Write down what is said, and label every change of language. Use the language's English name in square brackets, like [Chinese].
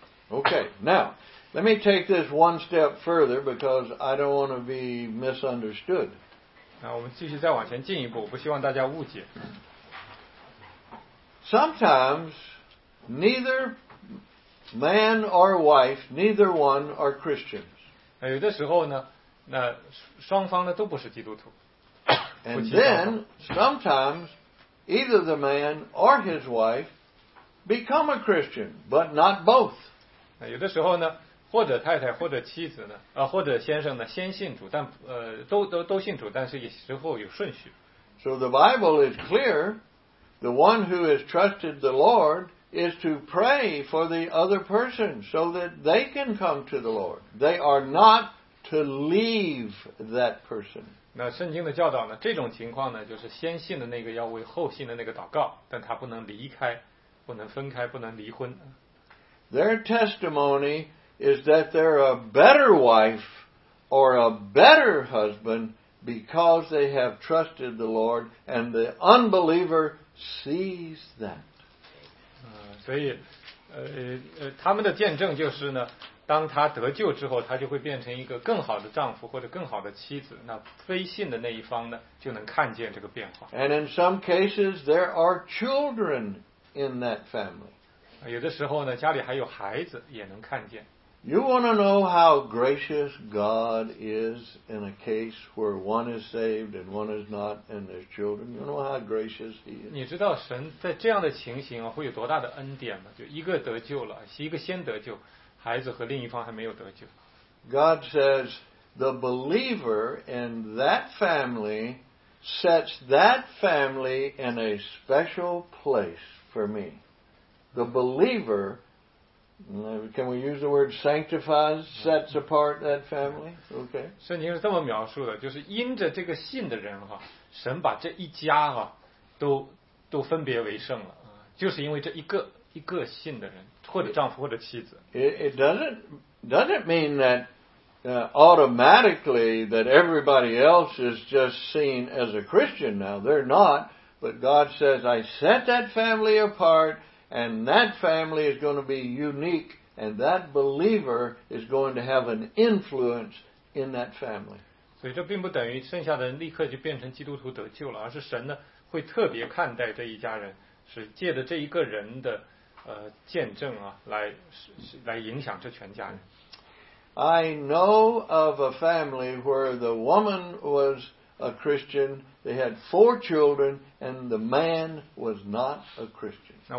[English] Okay, now let me take this one step further because I don't want to be misunderstood. [Chinese] 那我们继续再往前进一步，不希望大家误解。 [English] Sometimes neither man or wife, neither one are Christians. [Chinese] 有的时候呢，那双方呢都不是基督徒。 [English] And then sometimes either the man or his wife become a Christian, but not both. [Chinese] 有的时候呢，或者太太或者妻子呢，或者先生呢，先信主，但都信主，但是有时候有顺序。 [English] So the Bible is clear, the one who has trusted the Lord. Is to pray for the other person so that they can come to the Lord. They are not to leave that person. [Chinese] 那圣经的教导呢？这种情况呢，就是先信的那个要为后信的那个祷告，但他不能离开，不能分开，不能离婚。 [English] Their testimony is that they're a better wife or a better husband because they have trusted the Lord, and the unbeliever sees that. [Chinese] 所以他们的见证就是呢, 当他得救之后, 他就会变成一个更好的丈夫, 或者更好的妻子, 那非信的那一方呢, 就能看见这个变化。 [English] And in some cases, there are children in that family. [Chinese] 有的时候呢, 家里还有孩子, 也能看见。 [English] You want to know how gracious God is in a case where one is saved and one is not, and there's children? You know how gracious He is? [Chinese] 你知道神在这样的情形, 会有多大的恩典吗? 就一个得救了, 一个先得救, 孩子和另一方还没有得救。 [English] God says, the believer in that family sets that family in a special place for me. The believer, can we use the word sanctifies, sets apart that family? Okay. [Chinese] 圣经是这么描述的, 就是因着这个信的人, 神把这一家, 都分别为圣了, 就是因为这一个信的人。或者丈夫或者妻子 [English] It doesn't mean that automatically that everybody else is just seen as a Christian now. They're not. But God says, I set that family apart and that family is going to be unique and that believer is going to have an influence in that family. [Chinese] 所以这并不等于剩下的人立刻就变成基督徒得救了, 而是神呢会特别看待这一家人, 是借着这一个人的 见证啊，来影响这全家人。 [English] I know of a family where the woman was a Christian. They had four children, and the man was not a Christian.